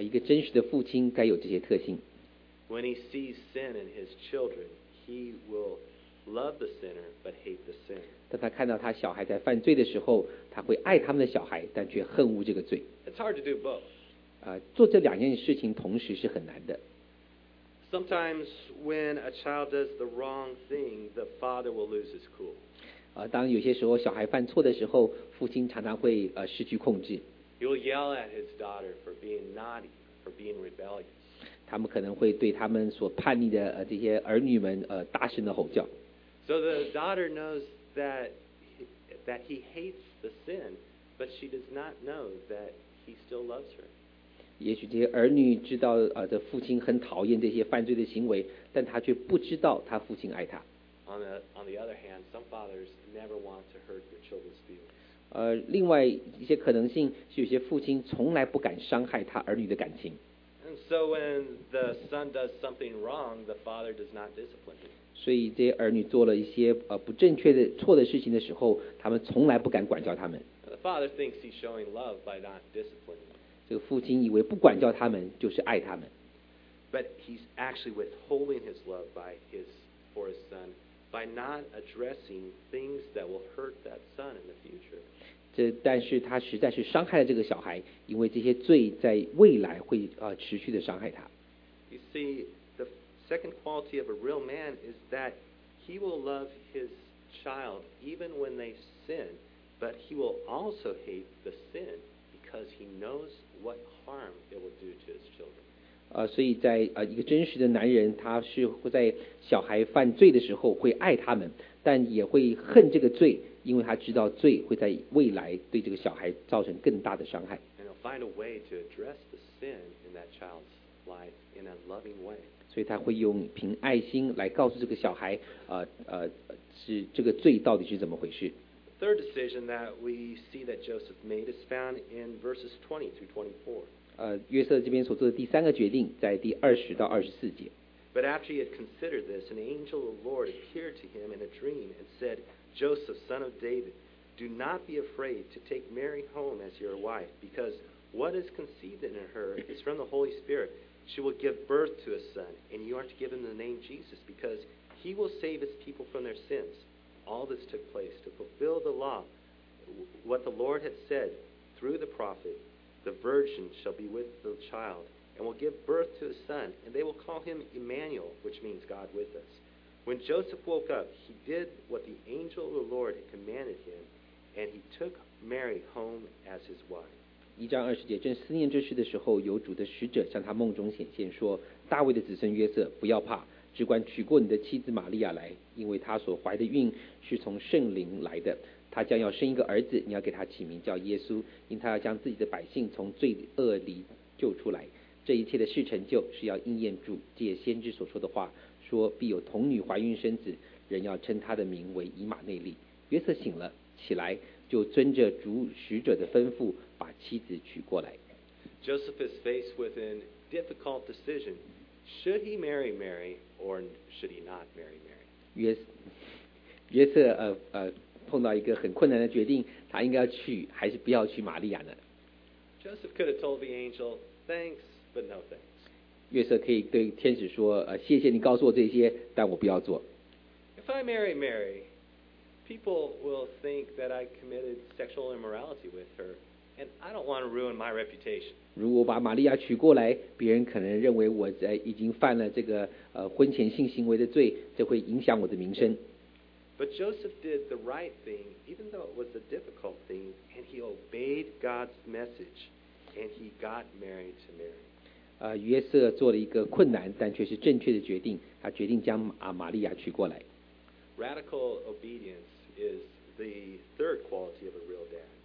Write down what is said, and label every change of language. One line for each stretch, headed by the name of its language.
Chinese: 一个真实的父亲该有这些特性。
English: When he sees sin in his children, he will love the sinner but hate the sin.
Chinese: 当他看到他小孩在犯罪的时候，他会爱他们的小孩，但却恨恶这个罪。
English: It's hard to do both.
Chinese: 做这两件事情同时是很难的。
English: Sometimes when a child does the wrong thing, the father will lose his cool.
Chinese: 当有些时候小孩犯错的时候，父亲常常会失去控制。
English: He will yell at his daughter for being naughty, for being rebellious.
Chinese: 他们可能会对他们所叛逆的这些儿女们大声的吼叫。
English: So the daughter knows that he hates the sin, but she does not know that he still loves her.
Chinese: 也许这些儿女知道这父亲很讨厌这些犯罪的行为，但他却不知道他父亲爱他。
English: On the other hand, some fathers never want to hurt their children's feelings.
Chinese: 另外一些可能性是有些父亲从来不敢伤害他儿女的感情。
English: And so when the son does something wrong, the father does not discipline him.
Chinese: 所以这些儿女做了一些不正确的错的事情的时候，他们从来不敢管教他们。
English: The father thinks he's showing love by not disciplining.
Chinese: 这个父亲以为不管教他们就是爱他们。
English: But he's actually withholding his love for his son by not addressing things that will hurt that son in the future.
Chinese: 但是他实在是伤害了这个小孩，因为这些罪在未来会持续的伤害他。
English: You see, the second quality of a real man is that he will love his child even when they sin, but he will also hate the sin because he knows what harm it will do to his children.
Chinese: 所以在一个真实的男人，他是会在小孩犯罪的时候会爱他们，但也会恨这个罪，因为他知道罪会在未来对这个小孩造成更大的伤害。
English: And he'll find a way to address the sin in that child's life in a loving way.
Chinese: 所以他会用凭爱心来告诉这个小孩，是这个罪到底是怎么回事。
English: The third decision that we see that Joseph made is found in verses 20 through 24.
Chinese: 约瑟这边所做的第三个决定在第二十到二十四节。
English: But after he had considered this, an angel of the Lord appeared to him in a dream and said, Joseph, son of David, do not be afraid to take Mary home as your wife, because what is conceived in her is from the Holy Spirit. She will give birth to a son, and you are to give him the name Jesus, because he will save his people from their sins. All this took place to fulfill the law, what the Lord had said through the prophet,The virgin shall be with the child, and will give birth to a son, and they will call him Emmanuel, which means God with us. When Joseph woke up, he did what the angel of the Lord had commanded him, and he took Mary home as his wife.
Chinese: 一章二十节，正思念这事的时候，有主的使者向他梦中显现，说：“大卫的子孙约瑟，不要怕，只管娶过你的妻子玛利亚来，因为她所怀的孕是从圣灵来的。” 他将要生一个儿子，你要给他起名叫耶稣，因他要将自己的百姓从罪恶里救出来。这一切的事成就是要应验主借先知所说的话，说必有童女怀孕生子，人要称他的名为以马内利。约瑟醒了起来，就遵着主使者的吩咐把妻子娶过来。
English: Joseph is faced with a difficult decision. Should he marry Mary or should he not marry Mary?
Chinese: 约瑟碰到一个很困难的决定，他应该要去还是不要去玛利亚呢？
English: Joseph could have told the angel, thanks, but no thanks.
Chinese: 约瑟可以对天使说，谢谢你告诉我这些，但我不要做。
English: If I marry Mary, People will think that I committed sexual immorality with her, and I don't want to ruin my reputation.
Chinese: 如果把玛利亚娶过来，别人可能认为我在已经犯了这个婚前性行为的罪，这会影响我的名声。
English: But Joseph did the right thing, even though it was a difficult thing, and he obeyed God's message, and he got married to Mary.
Chinese: 约瑟做了一个困难但却是正确的决定，他决定将玛利亚娶过来。
English: Radical obedience is the third quality of a real dad.